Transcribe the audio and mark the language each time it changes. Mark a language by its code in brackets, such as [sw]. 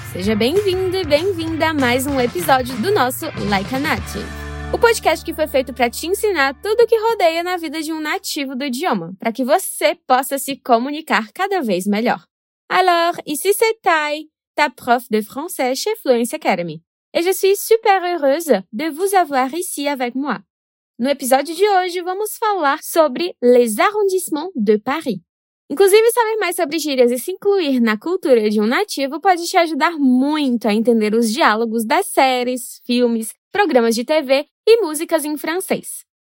[pt] Seja bem-vindo e bem-vinda a mais um episódio do nosso Like a Nat, o podcast que foi feito para te ensinar tudo o que rodeia na vida de um nativo do idioma, para que você possa se comunicar cada vez melhor. [fr] Alors, ici c'est Thay, ta prof de français chez Fluency Academy. Et je suis super heureuse de vous avoir ici avec moi. [pt] No episódio de hoje, vamos falar sobre [fr] les arrondissements de Paris. [pt] Inclusive, saber mais sobre gírias e se incluir na cultura de um nativo pode te ajudar muito a entender os diálogos das séries, filmes, programas de TV e músicas em francês.